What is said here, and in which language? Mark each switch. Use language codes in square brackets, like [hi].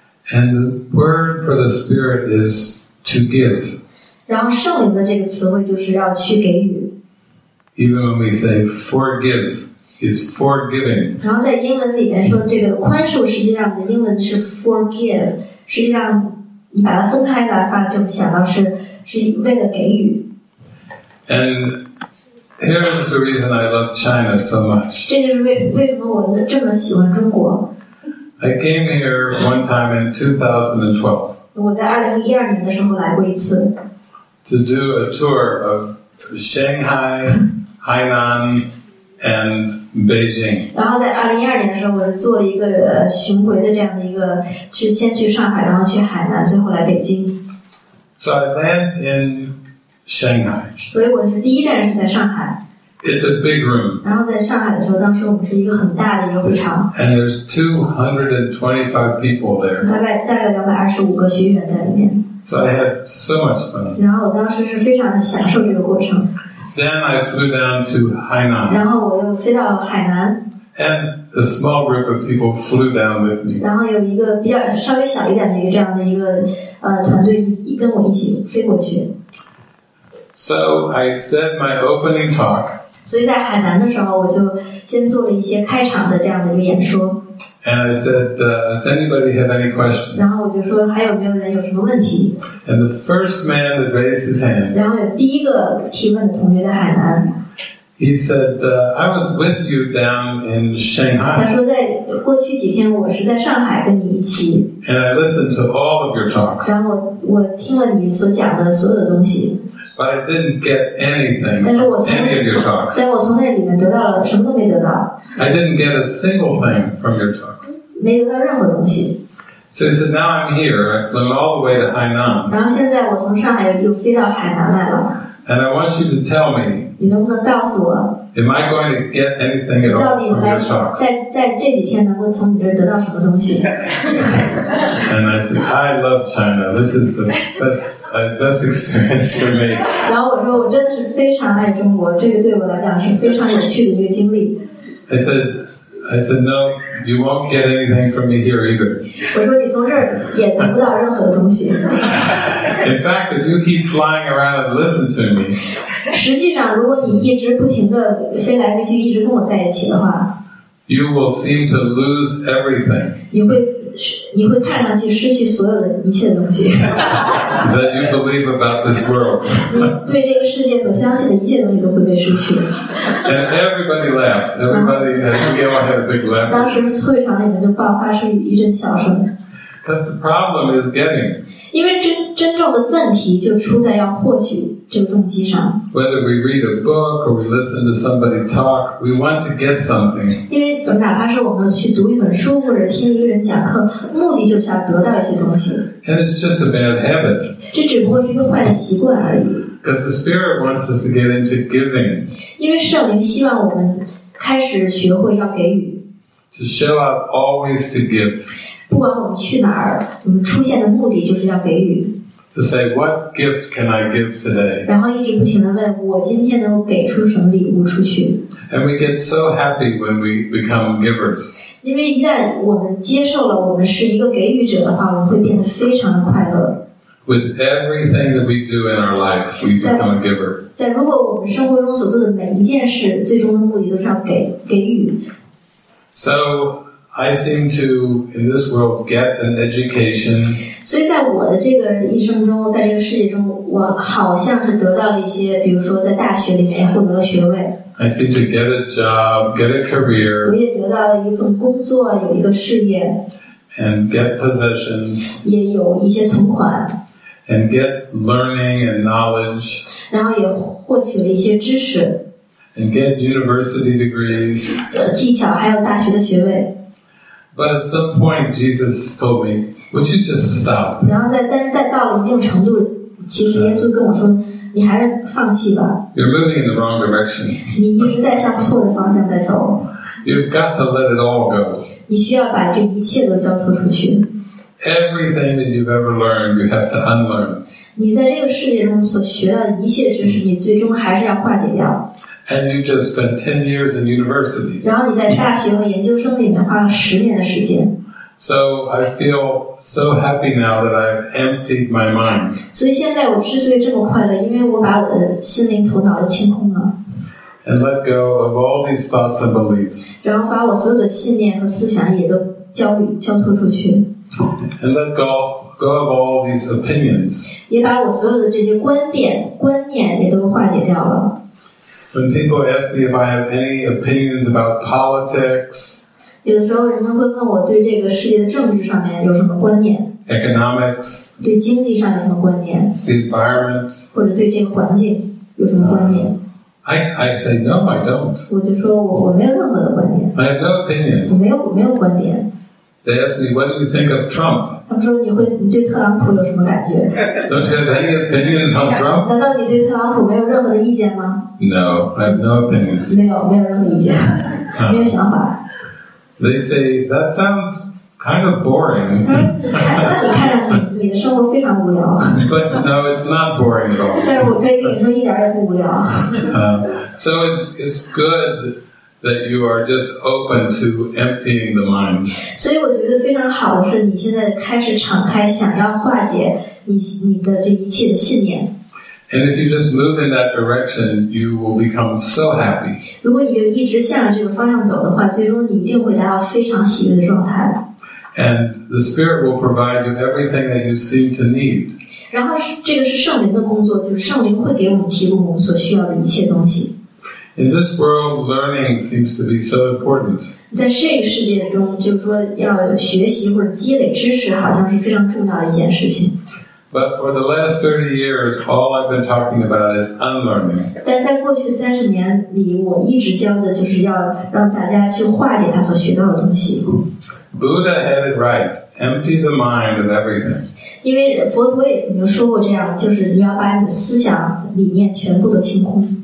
[en] And the word for the spirit is to give. [zh] 然后圣灵的这个词汇就是要去给予。 [en] Even when we say forgive, it's forgiving. [zh] 然后在英文里面说这个宽恕，实际上的英文是 forgive， 实际上你把它分开来的话，就想到是为了给予。 [en] And. Here's the reason I love China so much. [zh] 这就是为什么我这么喜欢中国。 [en] I came here one time in 2012. [zh] 我在2012年的时候来过一次。 [en] To do a tour of Shanghai, Hainan, and Beijing. [zh] 然后在2012年的时候，我是做了一个巡回的这样的一个，去先去上海，然后去海南，最后来北京。 [en] So I land in Shanghai. [zh] 所以我是第一站是在上海。 [en] It's a big room. [zh] 然后在上海的时候，当时我们是一个很大的一个会场。 [en] And there's 225 people there. [zh] 大概225个学员在里面。 [en] So I had so much fun. [zh] 然后我当时是非常的享受这个过程。 [en] Then I flew down to Hainan. [zh] 然后我又飞到海南。 [en] And a small group of people flew down with me. [zh] 然后有一个比较稍微小一点的一个这样的一个团队跟我一起飞过去。 [en] So I said my opening talk. [zh] 所以在海南的时候，我就先做了一些开场的这样的一个演说。 [en] And I said, does anybody have any questions? [zh] 然后我就说还有没有人有什么问题。 [en] And the first man that raised his hand. [zh] 然后有第一个提问的同学在海南。 [en] He said, I was with you down in Shanghai. [zh] 他说在过去几天我是在上海跟你一起。 [en] And I listened to all of your talks. [zh] 然后我听了你所讲的所有的东西。 [en] But I didn't get anything from any of your talks. [zh] 但我从那里面得到了什么都没得到。 [en] I didn't get a single thing from your talks. [zh] 没得到任何东西。 [en] So he said, now I'm here. I flew all the way to Hainan. [zh] 然后现在我从上海又飞到海南来了。 [en] And I want you to tell me, [zh] 你能不能告诉我, [en] am I going to get anything at all from your talks? [zh] 在这几天能够从你这得到什么东西? [en] And I said, I love China. This is the best experience for me. [zh] 然后我说我真的是非常爱中国，这个对我来讲是非常有趣的一个经历。 [en] I said, no, you won't get anything from me here either. [zh] 我说你从这儿也得不到任何的东西。 [en] In fact, if you keep flying around and listen to me, [zh] 实际上如果你一直不停的飞来飞去，一直跟我在一起的话， [en] you will seem to lose everything. [zh] 你会看上去失去所有的一切的东西。 [en] That you believe about this world. [zh] 你对这个世界所相信的一切东西都会被失去。 [en] And everybody laughed. Everybody had a big laugh. [zh] 当时会场里面就爆发出一阵笑声。 [en] Because the problem is getting. [zh] 因为真正的问题就出在要获取这个动机上。 [en] Whether we read a book or we listen to somebody talk, we want to get something. [zh] 因为哪怕是我们去读一本书或者听一个人讲课，目的就是要得到一些东西。 [en] And it's just a bad habit. [zh] 这只不过是一个坏的习惯而已。 [en] Because the Spirit wants us to get into giving. [zh] 因为圣灵希望我们开始学会要给予。 [en] To show up always to give. [zh] 不管我们去哪儿，我们出现的目的就是要给予。 [en] To say what gift can I give today? [zh] 然后一直不停地问我今天能给出什么礼物出去。 [en] And we get so happy when we become givers. [zh] 因为一旦我们接受了我们是一个给予者的话，我们会变得非常的快乐。 [en] With everything that we do in our life, we become a giver. [zh] 在如果我们生活中所做的每一件事，最终的目的都是要给予。 [en] So. I seem to, in this world, get an education. [zh] 所以在我的这个一生中，在这个世界中，我好像是得到了一些，比如说在大学里面获得了学位。 [en] I seem to get a job, get a career. [zh] 我也得到了一份工作，有一个事业。 [en] And get possessions. [zh] 也有一些存款。 [en] And get learning and knowledge. [zh] 然后也获取了一些知识。 [en] And get university degrees. [zh] 技巧还有大学的学位。 [en] But at some point, Jesus told me, "Would you just stop?" [zh] 然后在但是在到了一定程度，其实耶稣跟我说，你还是放弃吧。 [en] You're moving in the wrong direction. [zh] 你一直在向错的方向在走。 [en] You've got to let it all go. [zh] 你需要把这一切都交托出去。 [en] Everything that you've ever learned, you have to unlearn. [zh] 你在这个世界中所学到的一切知识，你最终还是要化解掉。 [en] And you just spent 10 years in university. [zh] 然后你在大学和研究生里面花了十年的时间。 [en] So I feel so happy now that I've emptied my mind. [zh] 所以现在我之所以这么快乐，因为我把我的心灵头脑都清空了。 [en] And let go of all these thoughts and beliefs. [zh] 然后把我所有的信念和思想也都交托出去。 [en] And let go of all these opinions. [zh] 也把我所有的这些观念也都化解掉了。 [en] When people ask me if I have any opinions about politics, [zh] 有的时候人们会问我对这个世界的政治上面有什么观念 [en] economics, [zh] 对经济上有什么观念 [en] the environment, [zh] 或者对这个环境有什么观念？ [en] I say no, I don't. [zh] 我就说我没有任何的观点。 [en] I have no opinions. [zh] 我没有观点。 [en] They ask me, what do you think of Trump? [zh] 他们说你对特朗普有什么感觉？ [en] Don't you have any opinions on Trump? [zh] 难道你对特朗普没有任何的意见吗？ [en] No, I have no opinions. [zh] 没有任何意见，没有想法。 [en] They say that sounds kind of boring. [zh] 那你看着你的生活非常无聊。 [en] But no, it's not boring at all. [zh] 但是我可以跟你说一点也不无聊。 [en] So it's good. That you are just open to emptying the mind. [zh] 所以我觉得非常好的是你现在开始敞开，想要化解你的这一切的信念。 [en] And if you just move in that direction, you will become so happy. [zh] 如果你就一直向着这个方向走的话，最终你一定会达到非常喜悦的状态。 [en] And the Spirit will provide you everything that you seem to need. [zh] 然后这个是圣灵的工作，就是圣灵会给我们提供我们所需要的一切东西。 [en] In this world, learning seems to be so important. [zh] 在这个世界中，就是说要学习或者积累知识，好像是非常重要的一件事情。 [en] But for the last 30 years, all I've been talking about is unlearning. [zh] 但在过去三十年里，我一直教的就是要让大家去化解他所学到的东西。 [en] Buddha had it right. Empty the mind of everything. [zh] 因为佛陀也曾经说过这样，就是你要把你的思想理念全部都清空。